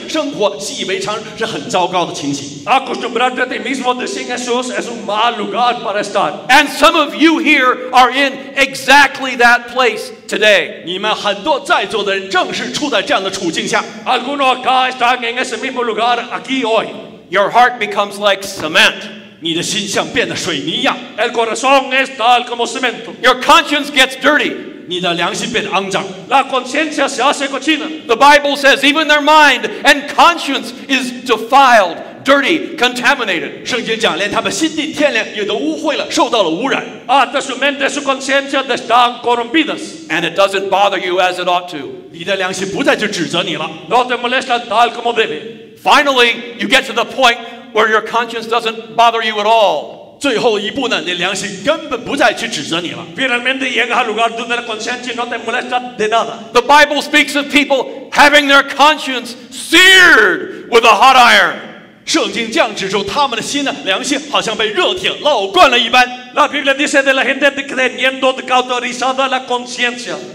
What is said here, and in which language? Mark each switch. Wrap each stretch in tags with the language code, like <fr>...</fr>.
<zh>当你没有信耶稣的时候，绝对罪犯罪生活习以为常是很糟糕的情形。</zh> <es>Acostumbrarte a ti mismo de sin Jesús es un mal lugar para estar.</es> <en>And some of you here are in exactly that place today.</en> <zh>你们很多在座的人正是处在这样的处境下。</zh> <es>Algunos acá están en ese mismo lugar aquí hoy.</es> <en>Your heart becomes like cement.</en> <zh>你的心像变得水泥一样。</zh> <es>El corazón es tal como cemento.</es> <en>Your conscience gets dirty.</en> <zh>你的良心变得肮脏。</zh> <es>La conciencia se hace cochina.</es> <en>The Bible says even their mind and conscience is defiled, dirty, contaminated.</en> <zh>圣经讲连他们心地天良也都污秽了，受到了污染。</zh> <es>De su mente, su conciencia están corrompidas.</es> <en>And it doesn't bother you as it ought to.</en> <zh>你的良心不再去指责你了。</zh> <es>No te molesta tal como debe.</es> <en>Finally, you get to the point where your conscience doesn't bother you at all.</en> <zh>最后一步呢, 你良心根本不再去指责你了。</zh> <es>Finalmente llegas al lugar donde la conciencia no te molesta de nada.</es> <en>The Bible speaks of people having their conscience seared with a hot iron.</en> <zh>圣经降旨说他们的心呢, 良心好像被热铁烙惯了一般。</zh> <es>La Biblia dice de la gente teniendo cauterizada la conciencia.</es>